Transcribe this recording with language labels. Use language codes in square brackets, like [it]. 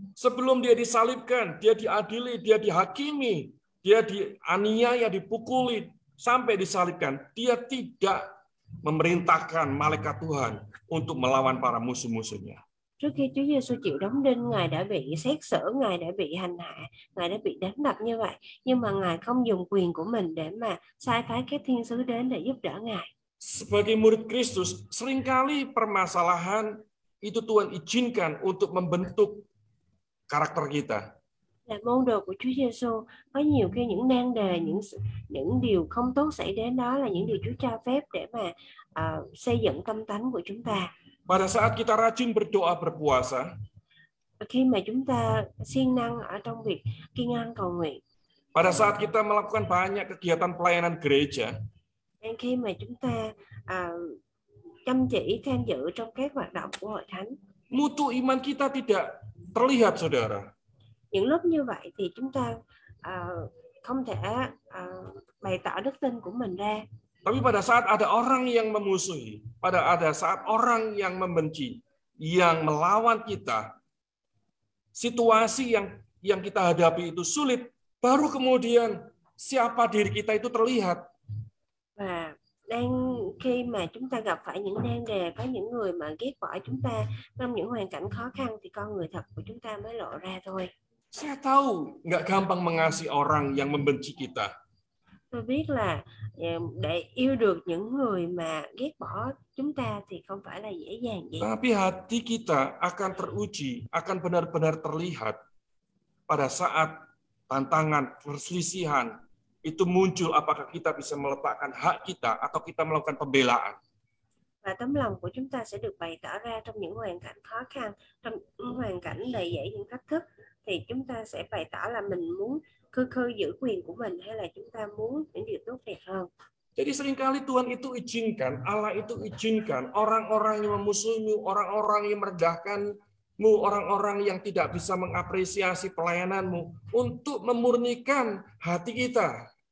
[id] Sebelum dia disalibkan, dia diadili, dia dihakimi, dia dianiaya, dipukuli, sampai disalibkan, dia tidak memerintahkan malaikat Tuhan untuk melawan para musuh-musuhnya. [vi] Trước khi Chúa Giêsu chịu đóng đinh, Ngài đã bị xét xử, Ngài đã bị hành hạ, Ngài đã bị đánh đập như vậy. Nhưng mà Ngài không dùng quyền của mình để mà sai phái các thiên sứ đến để giúp đỡ Ngài. [id] Sebagai murid Kristus, seringkali permasalahan itu Tuhan izinkan untuk membentuk karakter kita. [vi] Là môn đồ của Chúa Giêsu, có nhiều khi những nan đề, những điều không tốt xảy đến đó là những điều Chúa cho phép để mà xây dựng tâm tánh của chúng ta. [id] Pada saat kita rajin berdoa berpuasa, [vi] khi mà chúng ta siêng năng ở trong việc kiêng ăn cầu nguyện, [id] pada saat kita melakukan banyak kegiatan pelayanan gereja, [vi] dan khi mà chúng ta chăm chỉ tham dự trong các hoạt động của hội thánh, [id] mutu iman kita tidak terlihat, saudara. [vi] Những lúc như vậy thì chúng ta không thể bày tỏ đức tin của mình ra. [id] Tapi pada saat ada orang yang memusuhi, pada ada saat orang yang membenci, yang melawan kita, situasi yang kita hadapi itu sulit, baru kemudian siapa diri kita itu terlihat. [vi] Và đang khi mà chúng ta gặp phải những nan đề, có những người mà ghét bỏ chúng ta, trong những hoàn cảnh khó khăn thì con người thật của chúng ta mới lộ ra thôi. [id] Saya tahu nggak gampang mengasihi orang yang membenci kita. [vi] Tôi biết là để yêu được những người mà ghét bỏ chúng ta thì không phải là dễ dàng vậy. [id] Tapi hati kita akan teruji, akan benar-benar terlihat pada saat tantangan, perselisihan itu muncul, apakah kita bisa meletakkan hak kita atau kita melakukan pembelaan. [vi] Và tấm lòng của chúng ta sẽ được bày tỏ ra trong những hoàn cảnh khó khăn, trong những hoàn cảnh đầy dẫy những thách thức, thì chúng ta sẽ bày tỏ là mình muốn khư khư giữ quyền của mình hay là chúng ta muốn những điều tốt đẹp hơn. [id] Jadi seringkali Tuhan itu izinkan, Allah itu izinkan orang-orang yang memusuhimu, orang-orang yang merendahkanmu, orang-orang yang tidak bisa mengapresiasi pelayananmu untuk memurnikan hati kita.